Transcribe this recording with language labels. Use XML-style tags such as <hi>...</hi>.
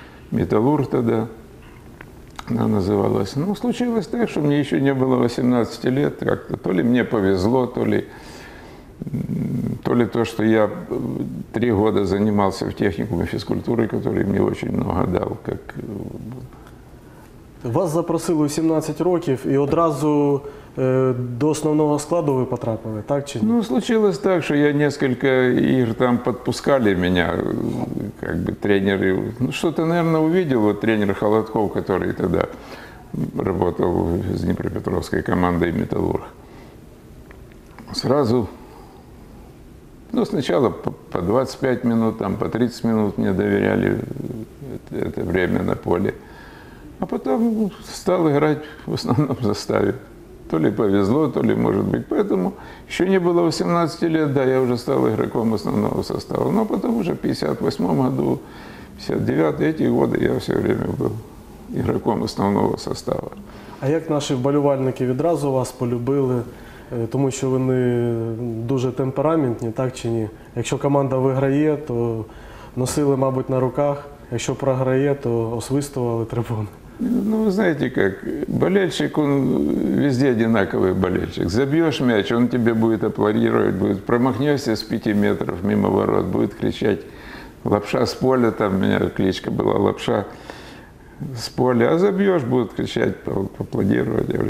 <ru>Металлург тогда она называлась. Ну, случилось так, что мне еще не было 18 лет. Как-то то ли мне повезло, то ли то, что я 3 года занимался в техникуме физкультуры, который мне очень много дав. Как...</ru> <uk>Вас запросили у 17 років і одразу до основного складу ви потрапили, так чи ні?</uk> <ru>Ну, случилось так,</ru> <uk>що я несколько ігор там підпускали мене, как бы тренери.</uk> <ru>Ну, что-то, наверное, увидел вот тренер Холодков, который тогда работал с Днепропетровской командой «Металлург». Сразу, ну, сначала по 25 минут, там по 30 минут мне доверяли это время на поле. А потом стал играть в основном в составе. То ли повезло, то ли может быть. Поэтому еще не было 18 лет, да, я уже стал игроком основного состава. Но потом уже в 58-м году, 59-м, эти годы я все время был игроком основного состава. А как наши болевальники</ru> <uk>відразу вас полюбили? Тому що вони дуже темпераментні, так чи ні? Якщо команда виграє, то носили, мабуть, на руках. Якщо програє, то освистували трибуни.</uk> <ru>Ну, вы знаете как, болельщик, он везде одинаковый болельщик. Забьешь мяч, он тебе будет аплодировать, будет промахнешься с 5 метров мимо ворот, будет кричать «Лапша с поля», там у меня кличка была «Лапша с поля», а забьешь, будут кричать, аплодировать.</ru>